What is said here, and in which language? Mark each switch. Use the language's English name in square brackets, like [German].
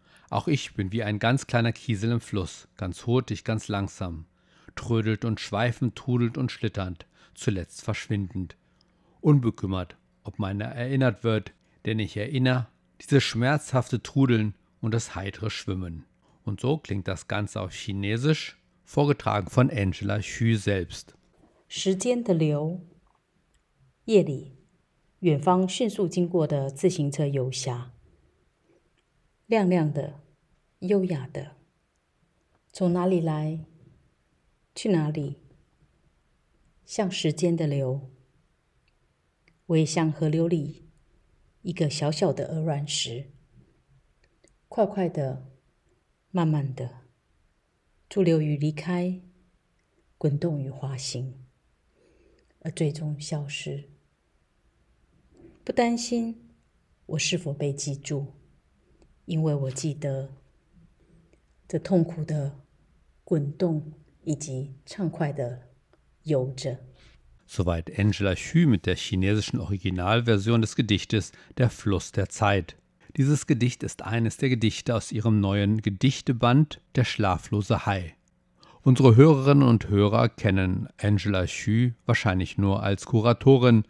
[German] Auch ich bin wie ein ganz kleiner Kiesel im Fluss, ganz hurtig, ganz langsam, trödelt und schweifend, trudelt und schlitternd, zuletzt verschwindend. Unbekümmert, ob meiner erinnert wird, denn ich erinnere dieses schmerzhafte Trudeln und das heitere Schwimmen. Und so klingt das Ganze auf Chinesisch, vorgetragen von Angela Xu selbst. [Chinese] 时间的流。夜里，远方迅速经过的自行车游侠，亮亮的，优雅的，从哪里来？去哪里？像时间的流，我也像河流里一个小小的鹅卵石，快快的，慢慢的，驻留于离开，滚动于滑行，而最终消失。不担心我是否被记住，因为我记得这痛苦的滚动以及畅快的游着。 [German] Soweit Angela Hü mit der chinesischen Originalversion des Gedichtes Der Fluss der Zeit. Dieses Gedicht ist eines der Gedichte aus ihrem neuen Gedichteband Der schlaflose Hai. Unsere Hörerinnen und Hörer kennen Angela Hü wahrscheinlich nur als Kuratorin.